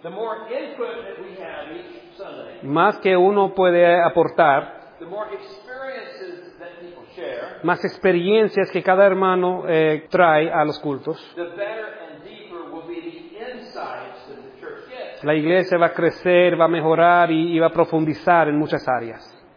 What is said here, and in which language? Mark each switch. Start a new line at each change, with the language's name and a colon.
English: the more input that we have each Sunday,
Spanish: más que uno puede aportar,
English: the more experiences that people share,
Spanish: más experiencias que cada hermano trae a los cultos,
English: the better and deeper will be the insights that the church gets.
Spanish: La iglesia va a crecer, va a mejorar y va a profundizar en muchas áreas.